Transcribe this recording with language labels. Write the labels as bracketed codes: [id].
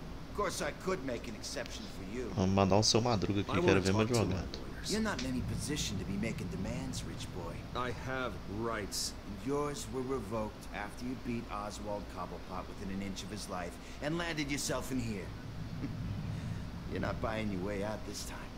[en] Of course I could make an exception for you. [pt] Vamos mandar o seu Madruga aqui, quero ver meu advogado. [en] You're not in any position to be making demands, rich boy. I have rights. And yours were revoked after you beat Oswald Cobblepot within an inch of his life and landed yourself in here. You're not buying your way out this time.